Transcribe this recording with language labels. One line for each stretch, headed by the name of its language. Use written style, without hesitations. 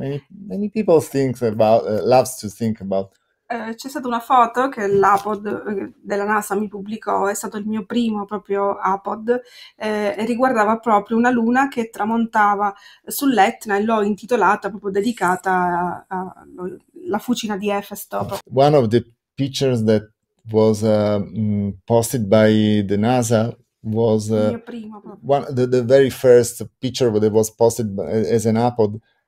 English: Many people think about loves to think about.
Italian: C'è stata una foto che l'APOD della NASA mi pubblicò, è stato il mio primo proprio APOD, e riguardava proprio una luna che tramontava sull'Etna, e l'ho intitolata, proprio dedicata alla fucina di Efesto.
English: One of the pictures that was posted by the NASA was the very first picture that was posted as an APOD.